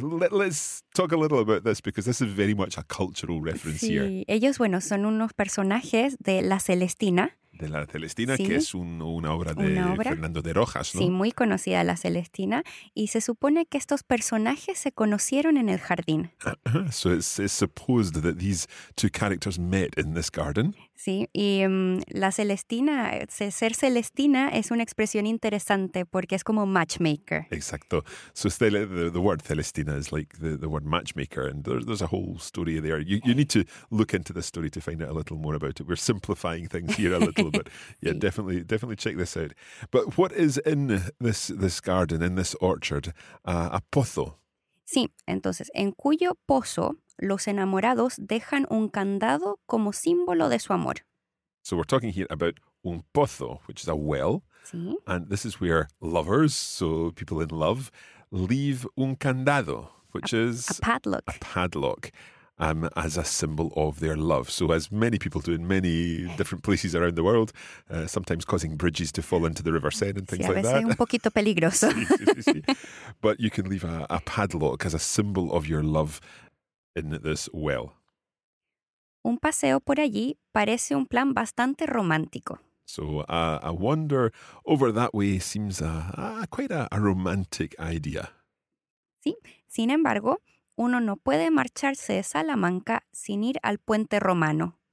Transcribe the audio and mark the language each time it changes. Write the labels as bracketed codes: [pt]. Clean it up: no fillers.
[en] Let's talk a little about this, because this is very much a cultural reference [es] sí. [en] here. [es] Ellos, bueno, son unos personajes de La Celestina. De La Celestina, sí. que es una obra de una obra. Fernando de Rojas, ¿no? Sí, muy conocida La Celestina. Y se supone que estos personajes se conocieron en el jardín. [en] So it's supposed that these two characters met in this garden. [es] Sí, y la Celestina, ser Celestina es una expresión interesante porque es como matchmaker. Exacto. [en] So the word Celestina is like the word matchmaker, and there's a whole story there. You need to look into the story to find out a little more about it. We're simplifying things here a little, but yeah, sí. definitely check this out. But what is in this garden, in this orchard, a pozo? [es] Sí, entonces, en cuyo pozo los enamorados dejan un candado como símbolo de su amor. [en] So we're talking here about un pozo, which is a well. [es] Sí. [en] And this is where lovers, so people in love, leave un candado, which is a padlock. A padlock, as a symbol of their love. So as many people do in many different places around the world, sometimes causing bridges to fall into the River Seine and things [es] sí, [en] like that. [es] Un poquito peligroso. Sí, sí, sí, sí. [en] But you can leave a padlock as a symbol of your love in this well. [es] Un paseo por allí parece un plan bastante romántico. [en] So a wander over that way seems quite a romantic idea. [es] Sí, sin embargo, uno no puede marcharse de Salamanca sin ir al puente romano.